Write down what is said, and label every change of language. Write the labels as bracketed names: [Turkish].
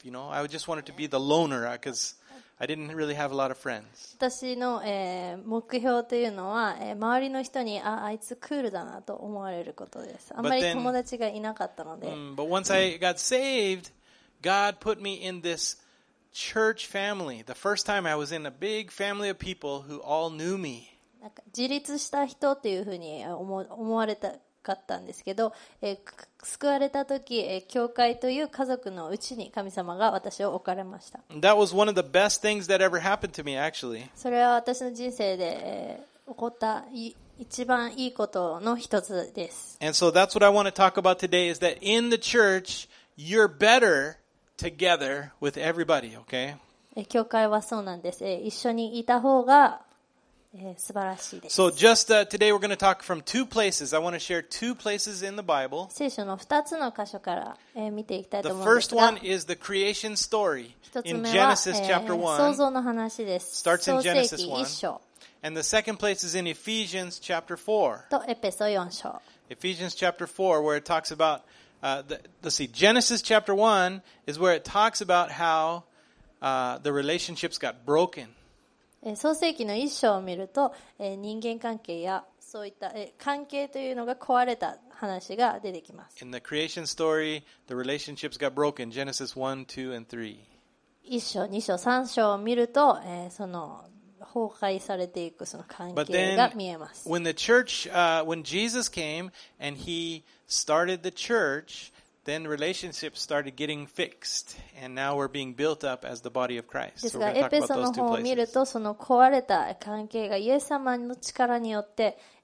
[English] You know, I just wanted to be the loner because I didn't really have a lot of friends. [Japanese] 私の、目標というのは、周りの人に あいつクールだなと思われることです。あんまり友達がいなかったので。 [English] But once I got saved,God put me in this church family. The first time I was in a big family of people who all knew me. [Japanese] なんか自立した人っていうふうに思われたかったんですけど、救われた時、教会という家族のうちに神様が私を置かれました。 [English] That was one of the best things that ever happened to me, actually. [Japanese] それは私の人生で、起こった一番いいことの一つです。 [English] And so that's what I want to talk about today is that in the church,You're better together with everybody, okay? [Japanese] 教会はそうなんです。一緒にいた方が、素晴らしいです。 [English] So just today we're going to talk from two places. I want to share two places in the Bible. [Japanese] 聖書の2つの箇所から、見ていきたいと思うんですが。 [English] The first one is the creation story in Genesis chapter 1. [Japanese] 創造の話です。 [English] Starts in Genesis 1. And the second place is in Ephesians chapter 4. [Japanese] とエペソ4章。 [English] Ephesians chapter 4 where it talks aboutGenesis chapter 1 is where it talks about how the relationships got broken. [Japanese] 創世記の一章を見ると、人間関係やそういった、関係というのが壊れた話が出てきます。 [English] In the creation story, the relationships got broken. Genesis 1, 2, and 3. [Japanese] 一章、二章、三章を見ると、その崩壊されていくその関係が見えます。 [English] When the church, when Jesus came and he started the church, then relationships started getting fixed, and now we're being built up as the body of Christ. [Japanese] ですが、エペソの方を見ると、その壊れた関係がイエス様の力によって、